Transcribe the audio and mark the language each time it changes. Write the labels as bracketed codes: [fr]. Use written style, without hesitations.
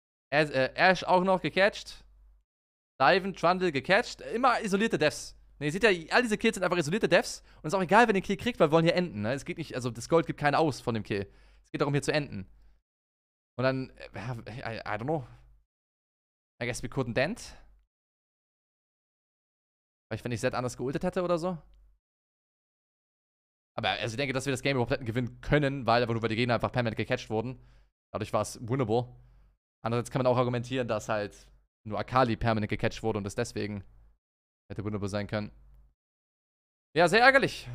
[de] Ash auch noch gecatcht. Diven, Trundle gecatcht. Immer isolierte Deaths. Ne, ihr seht ja, all diese Kills sind einfach isolierte Deaths. Und es ist auch egal, wenn ihr den Kill kriegt, weil wir wollen hier enden. Ne? Es geht nicht, also das Gold gibt keinen aus von dem Kill. Es geht darum, hier zu enden. [en] Und dann, I don't know. I guess we couldn't end. [de] Vielleicht, wenn ich Zed anders geultet hätte oder so. Aber also ich denke, dass wir das Game überhaupt hätten gewinnen können, weil einfach nur, weil die Gegner einfach permanent gecatcht wurden. Dadurch war es winnable. Andererseits kann man auch argumentieren, dass halt nur Akali permanent gecatcht wurde und es deswegen... Hätte wunderbar sein können. Ja, sehr ärgerlich.